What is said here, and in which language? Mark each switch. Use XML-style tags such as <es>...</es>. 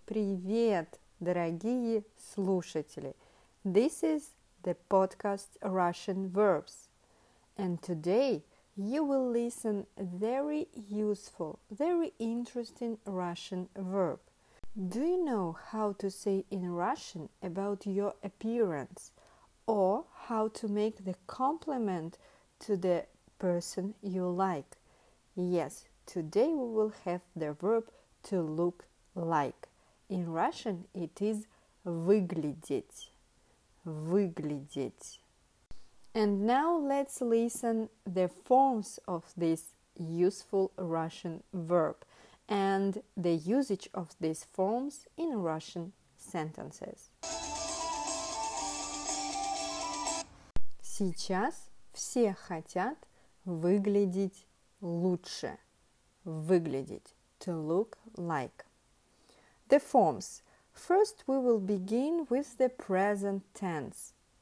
<ru>Привет, дорогие слушатели!</ru> <en>This is the podcast Russian Verbs. And today you will listen very useful, very interesting Russian verb. Do you know how to say in Russian about your appearance? Or how to make the compliment to the person you like? Yes, today we will have the verb to look like. In Russian it is</en> <ru>выглядеть. Выглядеть.</ru> <en>And now let's listen the forms of this useful Russian verb and the usage of these forms in Russian sentences.</en> <ru>Сейчас все хотят выглядеть лучше. Выглядеть.</ru> <en>To look like. The forms. First, we will begin with the present tense.</en>